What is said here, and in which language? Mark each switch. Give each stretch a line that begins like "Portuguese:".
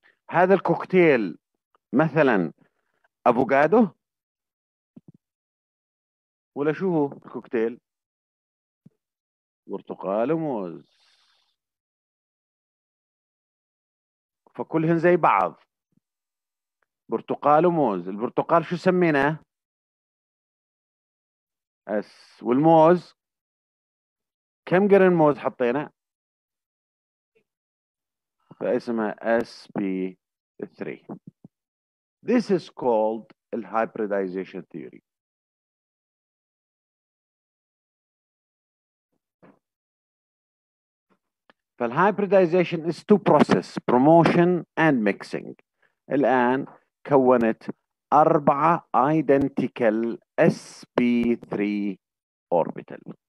Arabic: هذا الكوكتيل مثلا افوكادو، ولا شو هو الكوكتيل؟ برتقال وموز، فكلهن زي بعض برتقال وموز. البرتقال شو سميناه؟ اس. والموز كم قرن موز حطينا؟ فاسمها SP3.
English: This is called the hybridization theory. فالهايبريدايزيشن is two process, promotion and mixing.
Arabic: الآن كونت أربعة
English: identical SP3 orbital.